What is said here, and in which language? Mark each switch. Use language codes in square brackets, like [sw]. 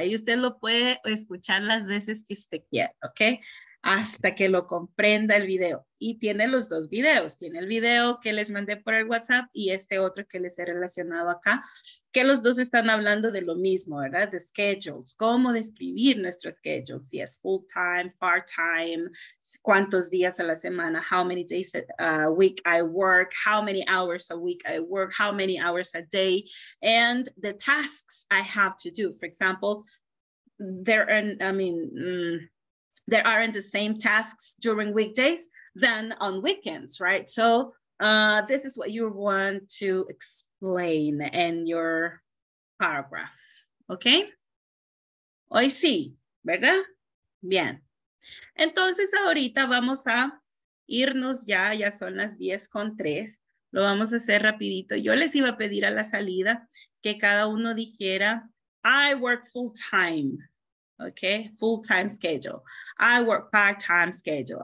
[es] Ahí usted lo puede escuchar las veces que usted quiera, okay? Hasta que lo comprenda el video. Y tiene los 2 videos. Tiene el video que les mandé por el WhatsApp y este otro que les he relacionado acá, que los dos están hablando de lo mismo, ¿verdad? De schedules, cómo describir nuestro schedule. Si es full time, part time, cuántos días a la semana, [en] how many days a week I work, how many hours a week I work, how many hours a day, and the tasks I have to do. For example, there aren't the same tasks during weekdays than on weekends, right? So this is what you want to explain in your paragraph, okay? [es] Hoy sí, ¿verdad? Bien. Entonces ahorita vamos a irnos ya, ya son las 10:03. Lo vamos a hacer rapidito. Yo les iba a pedir a la salida que cada uno dijera, [en] I work full time. Okay, full-time schedule. I work part-time schedule.